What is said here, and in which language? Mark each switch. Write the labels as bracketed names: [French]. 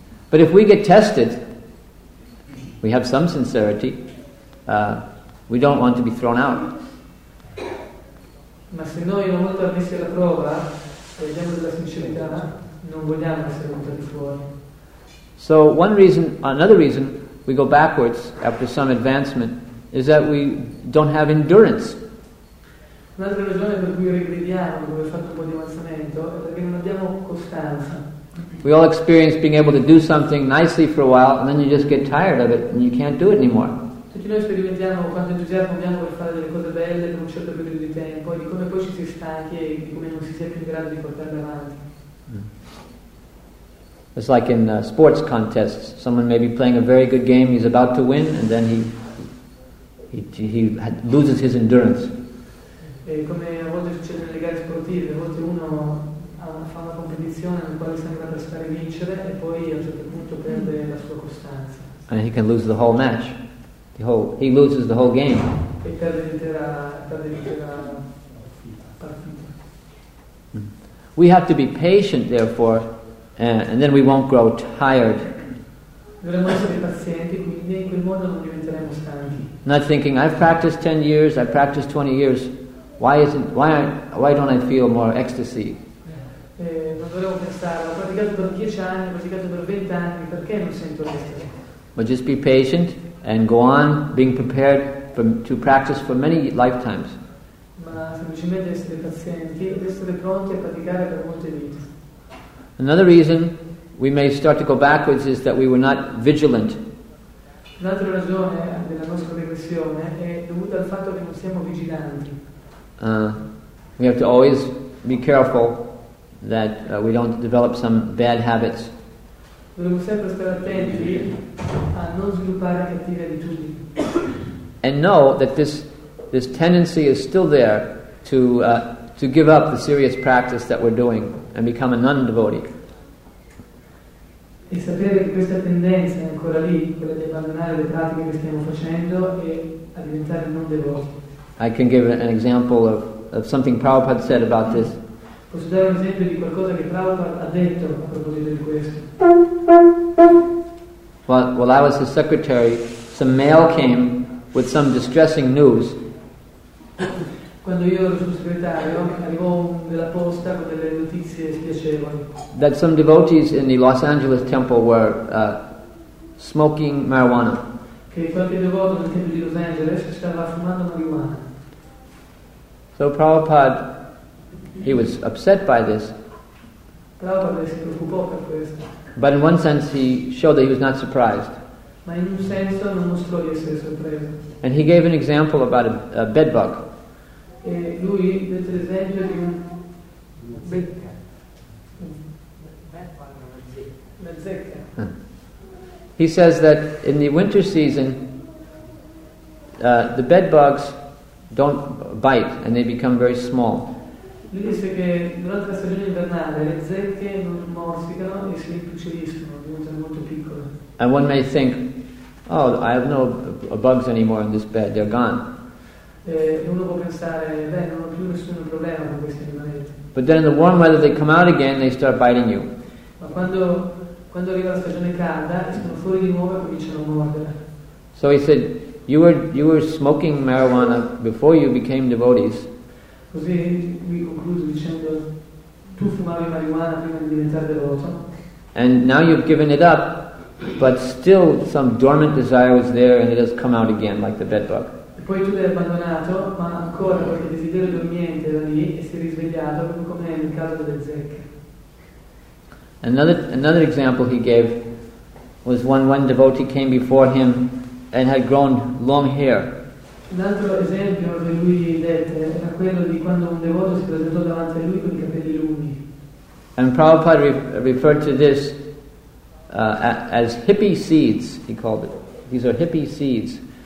[English] But if we get tested, we have some sincerity, we don't want to be thrown out. [Italian] Ma se noi una volta messi alla prova, vediamo della sincerità, non vogliamo essere buttati fuori. [English] So one reason, another reason we go backwards after some advancement is that we don't have endurance. [Italian] Un'altra ragione per cui regrediamo dove è fatto un po' di avanzamento è perché non abbiamo costanza. [English] We all experience being able to do something nicely for a while and then you just get tired of it and you can't do it anymore. [Italian] Tutti noi sperimentiamo quanto entusiasmo abbiamo per fare delle cose belle per un certo periodo di tempo e di come poi ci si stanchi e di come non si sia più in grado di portarle avanti. [English] It's like in sports contests. Someone may be playing a very good game, he's about to win, and then he loses his endurance. [Italian] E come a volte succede nelle gare sportive, a volte uno fa una competizione nel quale sembra per stare a vincere e poi a un certo punto perde la sua costanza. [English] And he can lose the whole match. He loses the whole game. [Italian] E perde l'intera partita. [English] We have to be patient, therefore, and then we won't grow tired. [Italian] Dovremmo essere pazienti, quindi in quel modo non diventeremo stanchi. [English] Not thinking, I've practiced 10 years, I've practiced 20 years, why don't I feel more ecstasy? [Italian] Non dovremmo pensare, ho praticato per 10 anni, ho praticato per 20 anni, perché non sento ecstasy? [English] But just be patient and go on being prepared to practice for many lifetimes. [Italian] Ma semplicemente essere pazienti ed essere pronti a praticare per molte vite. [English] Another reason we may start to go backwards is that we were not vigilant. [Italian] Un'altra ragione della nostra regressione è dovuta al fatto che non siamo vigilanti. [English] We have to always be careful that we don't develop some bad habits. [Italian] Dovremmo sempre stare attenti a non sviluppare cattive abitudini. [English] And know that this tendency is still there to give up the serious practice that we're doing and become a non-devotee. [Italian] E sapere che questa tendenza è ancora lì, quella di abbandonare le pratiche che stiamo facendo e a diventare non-devoti. [English] I can give an example of something Prabhupada said about this. [Italian] Posso dare un esempio di qualcosa che Prabhupada ha detto a proposito di questo. [English] While I was his secretary, some mail came with some distressing news. [Italian] Quando io ero suo segretario, arrivò della posta con delle notizie spiacevoli. [English] That some devotees in the Los Angeles temple were smoking marijuana. [Italian] Che qualche devoto nel tempio di Los Angeles stava fumando marijuana. [English] So Prabhupada, he was upset by this. [Italian] Prabhupada si preoccupò per questo. [English] But in one sense, he showed that he was not surprised. [Italian] Ma in un senso non mostrò di essere sorpreso. [English] And he gave an example about a bed bug. [Italian] E lui dette l'esempio di un una zecca. [English] He says that in the winter season, the bed bugs don't bite and they become very small. [Italian] Lui dice che durante la stagione invernale le zecche non morsicano e si impicciriscono, diventano molto piccole. [English] And one may think, oh, I have no bugs anymore in this bed, they're gone. [Italian] Uno può pensare, beh, non ho più nessun problema con questi animaletti. [English] But then in the warm weather they come out again, they start biting you. [Italian] Ma quando arriva la stagione calda, escono fuori di nuovo e cominciano a mordere. [English] So he said, you were smoking marijuana before you became devotees. [Italian] Così lui conclude dicendo, tu fumavi marijuana prima di diventare devoto. [English] And now you've given it up. But still some dormant desire was there and it has come out again like the bed bug. [Italian] E poi tu l'hai abbandonato, ma ancora qualche desiderio dormiente era lì e si è risvegliato come nel caso delle zecche. [English] Another example he gave was one devotee came before him and had grown long hair. [Italian] Un altro esempio che lui dette era quello di quando un devoto si presentò davanti a lui con i capelli lunghi. [English] And Prabhupada referred to this as hippie seeds, he called it. These are hippie seeds.